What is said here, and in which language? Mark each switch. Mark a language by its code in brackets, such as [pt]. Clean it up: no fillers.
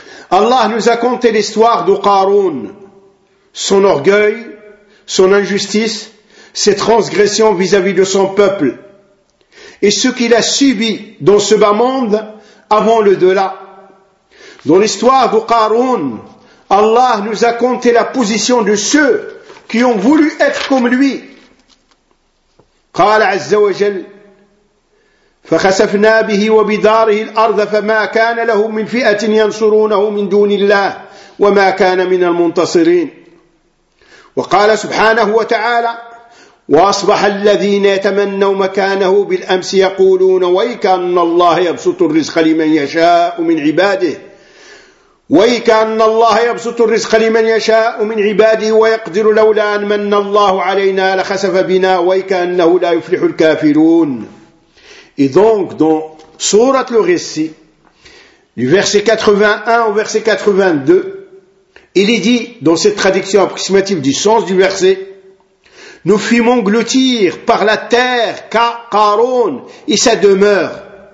[fr] Allah nous a conté l'histoire de Qaroun, son orgueil, son injustice, ses transgressions vis-à-vis de son peuple. Et ce qu'il a subi dans ce bas monde avant le delà. Dans l'histoire de Qaroun, Allah nous a conté la position de ceux qui ont voulu être comme lui. [ar] قال عز وجل فخسفنا به وبداره الأرض فما كان له من فئة ينصرونه من دون الله وما كان من المنتصرين. وقال سبحانه وتعالى وأصبح الذين يتمنوا مكانه بالأمس يقولون ويكأن الله يبسط الرزق لمن يشاء من عباده ويكأن الله يبسط الرزق لمن يشاء من عباده ويقدر لولا أن من الله علينا لخسف بنا ويكأنه لا يفلح الكافرون. [fr] Et donc dans sourate le récit du verset 81 au verset 82, il est dit dans cette traduction approximative du sens du verset: nous fîmes engloutir par la terre Qaroun et sa demeure.